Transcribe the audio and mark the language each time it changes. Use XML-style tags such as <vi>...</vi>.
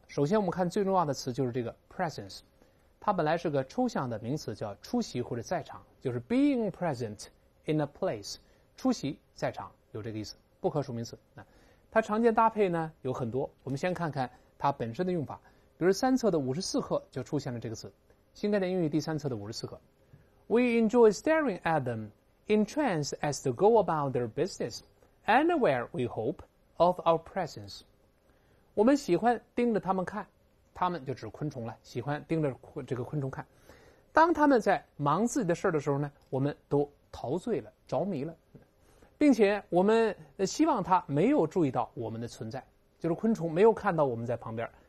<zh>首先，我们看最重要的词就是这个 presence。它本来是个抽象的名词，叫出席或者在场，就是</zh> <en>being present in a place，</en> <zh>出席在场有这个意思，不可数名词。它常见搭配呢有很多，我们先看看它本身的用法。比如三册的54课就出现了这个词，新概念英语第三册的54课。</zh> <en>We enjoy staring at them entranced as they go about their business unaware we hope of our presence。</en> <zh>我们喜欢盯着他们看，他们就指昆虫了，喜欢盯着这个昆虫看。当他们在忙自己的事的时候呢，我们都陶醉了，着迷了，并且我们希望他没有注意到我们的存在，就是昆虫没有看到我们在旁边。</zh>